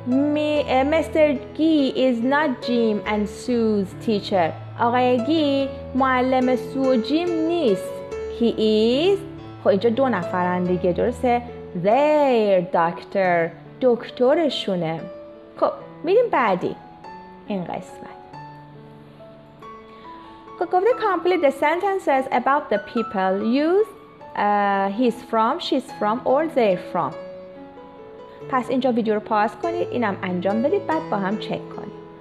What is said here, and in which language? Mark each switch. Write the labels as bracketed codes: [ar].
[en] Mr. Gee is not Jim and Sue's teacher. [fa] آقای گی معلم سو و جیم نیست. [en] He is، [fa] خب اینجا دو نفرن دیگه، درسته؟ [en] Their doctor، [fa] دکترشونه. خب میریم بعدی این قسمت. خب گفته [en] complete the sentences about the people. Use he's from، she's from، or they're from. [fa] پس اینجا ویدیو رو پاس کنید، اینم انجام بدید، بعد با هم چک کنید.